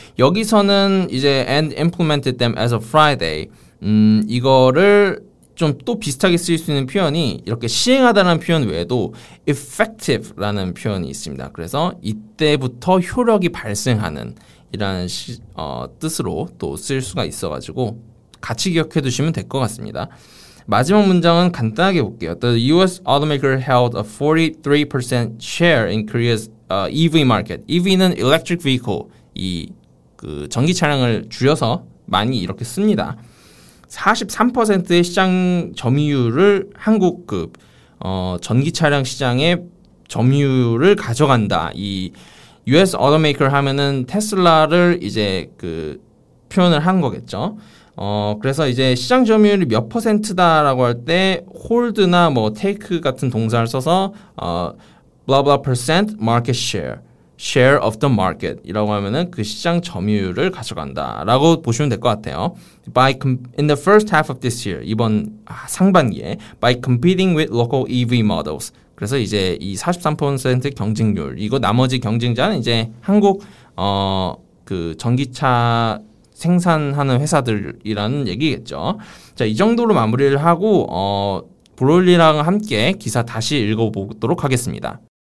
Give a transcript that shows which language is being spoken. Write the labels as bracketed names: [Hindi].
[Korean] 여기서는 이제 and implemented them as of Friday 이거를 좀 또 비슷하게 쓰일 수 있는 표현이 이렇게 시행하다라는 표현 외에도 effective라는 표현이 있습니다. 그래서 이때부터 효력이 발생하는 이라는 뜻으로 또 쓸 수가 있어가지고 같이 기억해 두시면 될 것 같습니다. 마지막 문장은 간단하게 볼게요. [English] The US automaker held a 43% share in Korea's EV market. [Korean] EV는 electric vehicle, 이 그 전기 차량을 줄여서 많이 이렇게 씁니다. 43%의 시장 점유율을 한국 그 전기 차량 시장의 점유율을 가져간다. 이 US automaker 하면은 테슬라를 이제 그 표현을 한 거겠죠. 그래서 이제 시장 점유율이 몇 퍼센트다라고 할 때 hold나 뭐 take 같은 동사를 써서 blah blah percent market share of the market 이라고 하면은 그 시장 점유율을 가져간다 라고 보시면 될 것 같아요. [English] In the first half of this year, 이번 상반기에 by competing with local EV models. [Korean] 그래서 이제 이 43% 경쟁률, 이거 나머지 경쟁자는 이제 한국 그 전기차 생산하는 회사들이라는 얘기겠죠. 자, 이 정도로 마무리를 하고 브롤리랑 함께 기사 다시 읽어보도록 하겠습니다.